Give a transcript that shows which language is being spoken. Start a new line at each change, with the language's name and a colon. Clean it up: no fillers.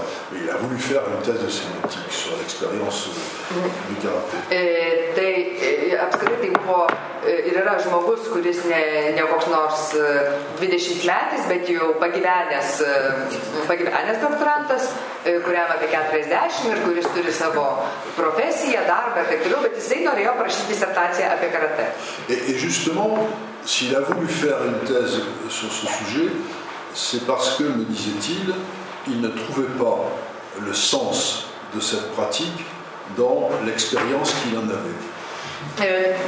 French: Mais il a voulu faire une thèse de sémiotique sur l'expérience du karaté.
Lithuanian: Et apskritai buvo ir yra žmogus, kuris ne koks nors 20 metais, bet jau pagyvenęs doktorantas, kuriam apie 40 ir kuris turi savo profesiją, darbą ir taip toliau, bet jisai norėjo prašyti disertaciją apie karate.
French: Et justement, s'il a voulu faire une thèse sur ce sujet, c'est parce que, me disait-il, il ne trouvait pas le sens de cette pratique dans l'expérience qu'il en avait.